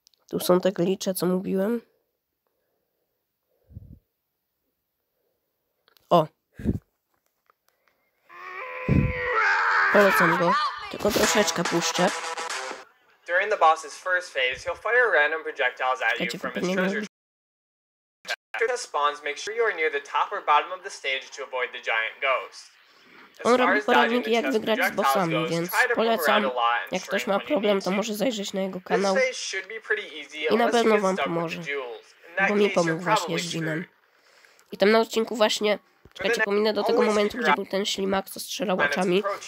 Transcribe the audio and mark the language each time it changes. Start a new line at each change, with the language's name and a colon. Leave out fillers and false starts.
Polish: Tu są te glitche, co mówiłem. O! Polecam go. Tylko troszeczkę puszczę.
English: During the boss's first phase, he'll fire random projectiles at you from his treasure. After the spawns, make sure you are near the top or bottom of the stage to avoid the giant ghost.
Polish: On robi poradniki, jak wygrać z bossami, więc polecam. Jak ktoś ma problem, to może zajrzeć na jego kanał i na pewno wam pomoże, bo mi pomógł właśnie z Jinem. I tam na odcinku właśnie, czekajcie, pominę do tego momentu, gdzie był ten ślimak, co strzelał oczami.